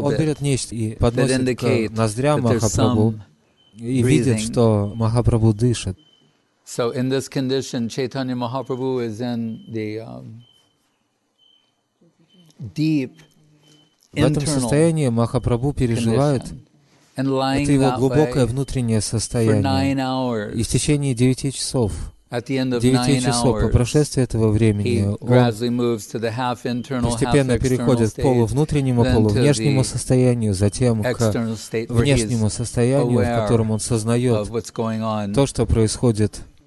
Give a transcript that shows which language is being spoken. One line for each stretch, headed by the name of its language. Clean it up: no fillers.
Russian: он берет нечто и подносит к ноздрям Махапрабху и видит, что Махапрабху дышит.
English: So in this condition, Chaitanya Mahaprabhu is in the deep.
Russian: В этом состоянии Махапрабху переживает это его глубокое внутреннее состояние. И в течение 9 часов 9 часов по прошествии этого времени он постепенно переходит к полувнутреннему, полувнешнему состоянию, затем к внешнему состоянию, в котором он сознает то, что происходит.